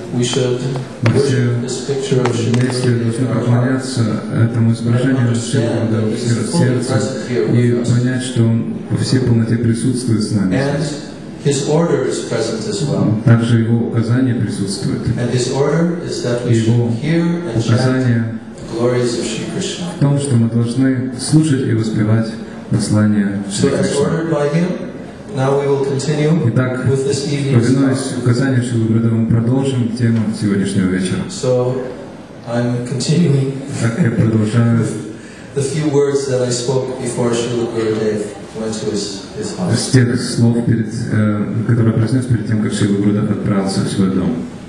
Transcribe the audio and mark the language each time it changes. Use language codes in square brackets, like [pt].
[ru] мы все вместе должны поклоняться этому изображению Шрила в сердце и понять, что он во всей полноте присутствует с нами. [en] His order is present as well. [ru] Также его указание присутствует. [en] And his order is that we should hear and chant the glories of Shri Krishna. [ru] В том, что мы должны слушать и воспевать послания Шри Кришны. [en] So as ordered by him, now we will continue [ru] Итак, [en] with this evening's talk. [ru] Мы продолжим тему сегодняшнего вечера. [en] So I'm continuing with the few words that I spoke before Srila Gurudev. [ru] С тех слов, которые я произнес перед тем, как Шрила Гурудев отправился в свой дом.